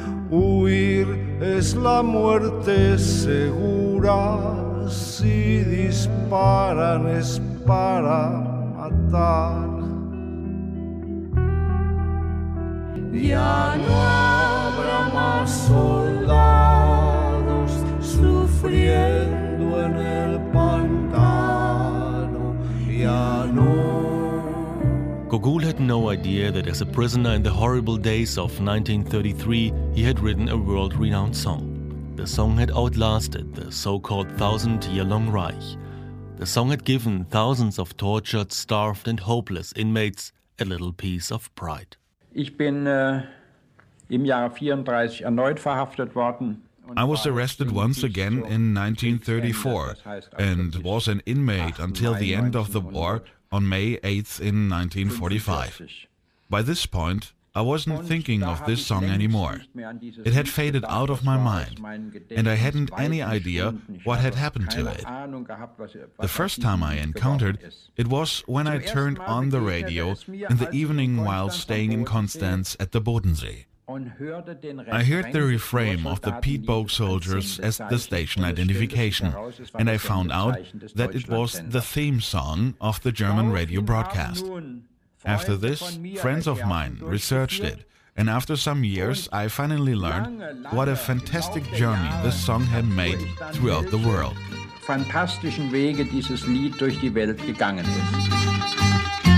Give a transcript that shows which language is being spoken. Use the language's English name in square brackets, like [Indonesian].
[Spanish] Huir es la muerte segura, si disparan es para matar. Ya no habrá más soldados sufriendo en el pantano, ya no. [English] Gogol had no idea that as a prisoner in the horrible days of 1933, he had written a world-renowned song. The song had outlasted the so-called Thousand-Year-Long Reich. The song had given thousands of tortured, starved and hopeless inmates a little piece of pride. [German] Ich bin im Jahr 34 erneut verhaftet worden. [English] I was arrested once again in 1934 and was an inmate until the end of the war on May 8th in 1945. By this point, I wasn't thinking of this song anymore. It had faded out of my mind, and I hadn't any idea what had happened to it. The first time I encountered it was when I turned on the radio in the evening while staying in Konstanz at the Bodensee. I heard the refrain of the Piet Borg Soldiers as the station identification, and I found out that it was the theme song of the German radio broadcast. After this, friends of mine researched it, and after some years, I finally learned what a fantastic journey this song had made throughout the world. [German] Fantastischen Wege dieses Lied durch die Welt gegangen ist.